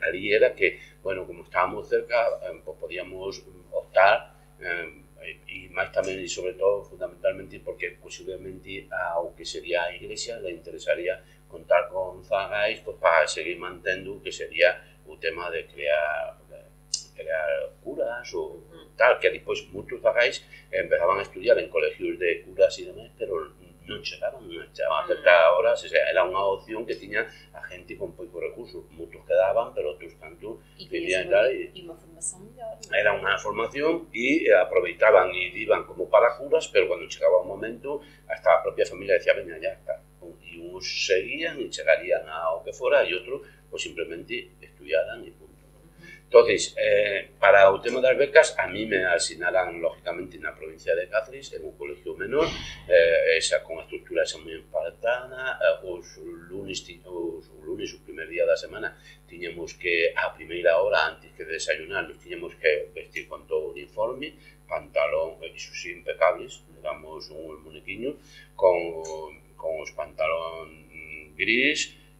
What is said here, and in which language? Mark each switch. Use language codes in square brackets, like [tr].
[es] Allí era que, bueno, como estábamos cerca, pues podíamos optar, y más también y sobre todo, fundamentalmente, porque posiblemente aunque sería a Iglesia, le interesaría contar con Zagais, pues para seguir manteniendo, que sería un tema de crear curas o tal, que después muchos Zagais empezaban a estudiar en colegios de curas y demás, pero [gl] non chegaban, non chegaban a certas horas, o sea, era unha opción que tiña a xente con pouco recurso. Muchos quedaban, pero outros tanto vivían e tal. Y unha formación mellor, Era unha formación e aproveitaban e iban como para curas, pero cando chegaba o momento, [es] hasta la propia familia decía, venga, ya está. Y unos seguían y llegarían a lo que fuera, y otros, pues simplemente estudiaran y punto. Entonces, para el tema de las becas, a mí me asignaran, lógicamente, en la provincia de Cáceres, en un colegio menor, esa con estructura esa muy espartana, los lunes, el primer día de la semana, teníamos que, a primera hora, antes que desayunar, nos teníamos que vestir con todo el uniforme, pantalón, eso sí, impecables, digamos, un muñequiño, con los pantalón gris,